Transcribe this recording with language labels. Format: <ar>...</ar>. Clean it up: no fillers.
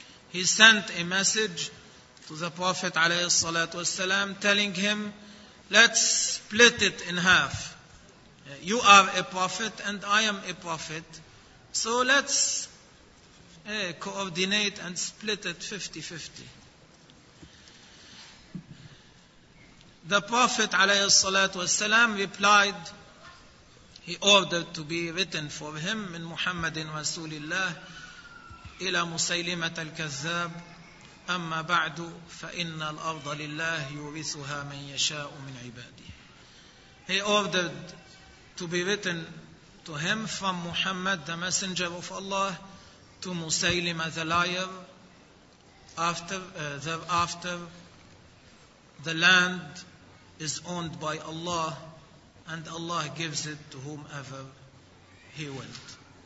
<en>He sent a message to the Prophet alayhi salatu wasalam telling him, let's split it in half. You are a prophet and I am a prophet, so let's coordinate and split it 50-50. The Prophet</en> <ar>عليه الصلاة والسلام</ar> <en>replied, he ordered to be written for him</en> <ar>من محمد رسول الله إلى مسيلمة الكذاب أما بعد فإن الأرض لله يورثها من يشاء من عباده.</ar> <en>He ordered to be written to him from Muhammad, the messenger of Allah, to مسيلمة the liar, thereafter the land is owned by Allah, and Allah gives it to whomever He willed.</en>